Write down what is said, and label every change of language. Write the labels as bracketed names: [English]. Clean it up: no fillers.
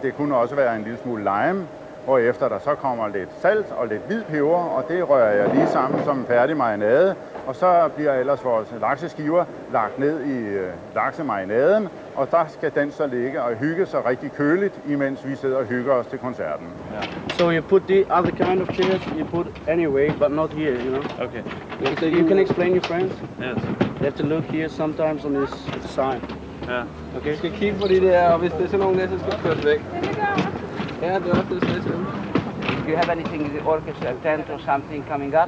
[Danish] Det kunne også være en lille smule lime, hvorefter der så kommer lidt salt og lidt hvid peber, og det rører jeg lige sammen som en færdig marinade. Og så bliver ellers vores lakseskiver lagt ned i laksemarinaden, og der skal den så ligge og hygge sig rigtig køligt, imens vi sidder og hygger os til koncerten. [English] Yeah. So you put the other kind of chairs, you put anyway, but not here, you know? Okay. So you can explain your friends? Yes. You have to look here sometimes on this sign. [Danish] Ja. Yeah. Okay, skal kigge på de der, og hvis det er sådan nogle der, så skal køres væk. Ja, yeah, det er også det. [English] Do you have anything in the orchestra tent or something coming up?